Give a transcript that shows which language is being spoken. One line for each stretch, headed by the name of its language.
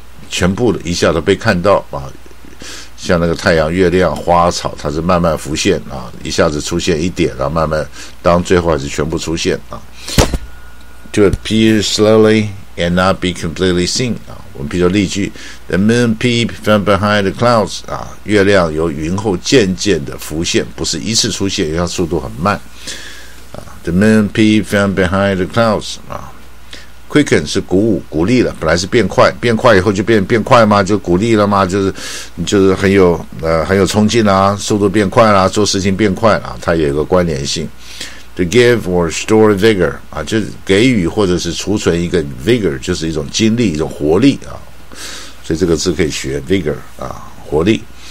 Chinese: 全部一下子被看到啊，像那个太阳、月亮、花草，它是慢慢浮现啊，一下子出现一点，然后慢慢，当最后还是全部出现啊。
English: To appear slowly and not be completely seen
Chinese: 啊，我们比如说例句 ，
English: The moon peeped from behind the clouds
Chinese: 啊，月亮由云后渐渐的浮现，不是一次出现，因为它速度很慢啊。
English: The moon peeped from behind the clouds 啊。
Chinese: Quicken 是鼓舞鼓励了，本来是变快，变快以后就变快嘛，就鼓励了嘛，就是很有冲劲啊，速度变快啦，做事情变快啦，它也有个关联性。
English: To give or store vigor
Chinese: 啊，就是给予或者是储存一个 vigor， 就是一种精力，一种活力啊，所以这个字可以学 vigor 啊，活力。